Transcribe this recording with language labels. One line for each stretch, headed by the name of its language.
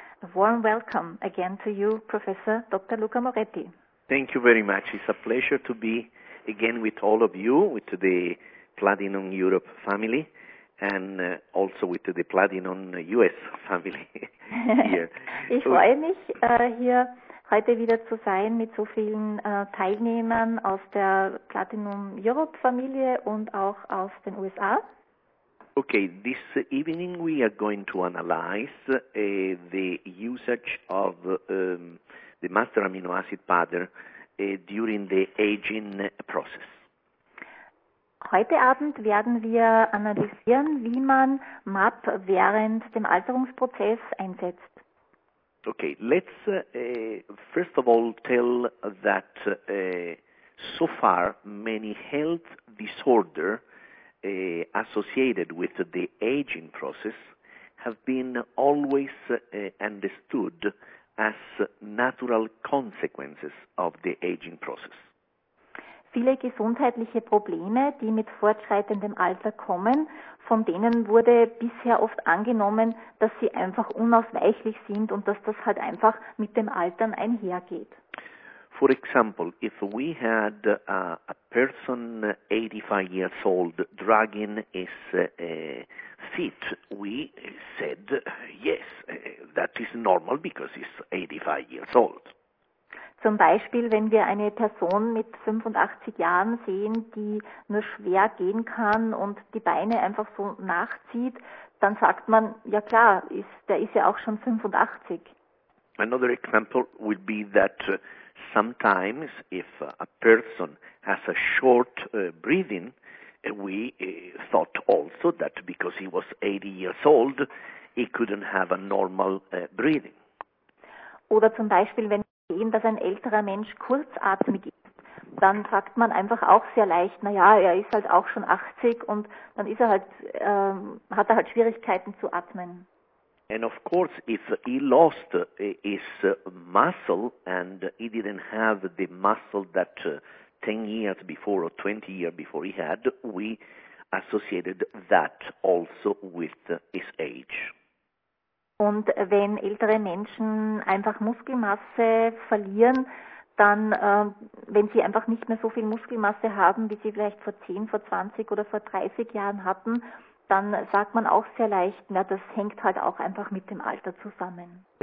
English: A warm welcome again to you, Professor Dr. Luca Moretti. Thank you very much. It's a pleasure to be again with all of you, with the Platinum Europe family, and also with the Platinum US family here.
German: Ich freue mich, hier heute wieder zu sein mit so vielen Teilnehmern aus der Platinum Europe Familie und auch aus den USA.
English: Okay, this evening we are going to analyze the usage of the master amino acid powder during the aging process.
German: Heute Abend werden wir analysieren, wie man MAP während dem Alterungsprozess einsetzt.
English: Okay, let's first of all tell that so far many health disorders associated with the aging process have been always understood as natural consequences of the aging process.
German: Viele gesundheitliche Probleme, die mit fortschreitendem Alter kommen, von denen wurde bisher oft angenommen, dass sie einfach unausweichlich sind und dass das halt einfach mit dem Altern einhergeht.
English: For example, if we had a person 85 years old dragging his feet, we said, yes, that is normal because he's 85 years old.
German: Zum Beispiel, wenn wir eine Person mit 85 Jahren sehen, die nur schwer gehen kann und die Beine einfach so nachzieht, dann sagt man, ja klar, der ist ja auch schon 85.
English: Another example would be that sometimes if a person has a short breathing, we thought also that because he was 80 years old, he couldn't have a normal breathing.
German: Oder zum Beispiel, wenn wir sehen, dass ein älterer Mensch kurzatmig ist, dann sagt man einfach auch sehr leicht, naja, er ist halt auch schon 80 und dann ist er halt, hat er halt Schwierigkeiten zu atmen.
English: And of course, if he lost his muscle and he didn't have the muscle that 10 years before or 20 years before he had, we associated that also with his age.
German: Und wenn ältere Menschen einfach Muskelmasse verlieren, dann, wenn sie einfach nicht mehr so viel Muskelmasse haben, wie sie vielleicht vor 10, vor 20 oder vor 30 Jahren hatten, dann sagt man auch sehr leicht, na, das hängt halt auch einfach mit dem Alter zusammen.